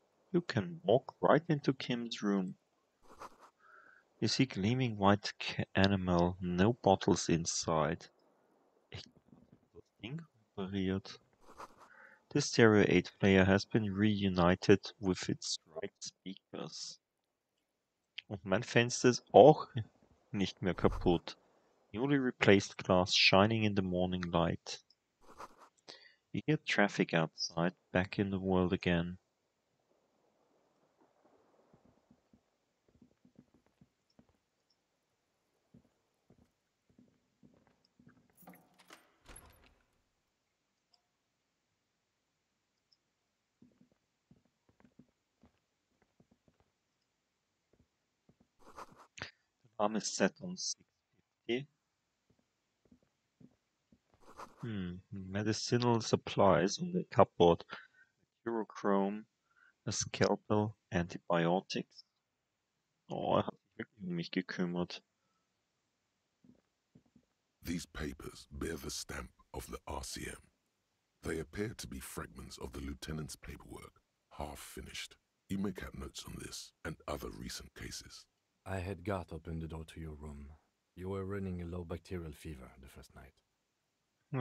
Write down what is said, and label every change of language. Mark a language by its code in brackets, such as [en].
[en] You can walk right into Kim's room. You see gleaming white animal, no bottles inside. [de] Ding repariert. [en] This Stereo 8 player has been reunited with its right speakers. [de] Und mein Fenster ist auch nicht mehr kaputt. [en] Newly replaced glass shining in the morning light. You hear traffic outside, back in the world again. Arm is set on 650. Medicinal supplies on the cupboard. Mercurochrome, a scalpel, antibiotics. [de] Oh, er hat sich wirklich um mich gekümmert. [en] These papers bear the stamp of the RCM. They appear to be fragments of the lieutenant's paperwork, half finished. You may cap notes on this and other recent cases. I had Garth open the door to your room. You were running a low bacterial fever the first night.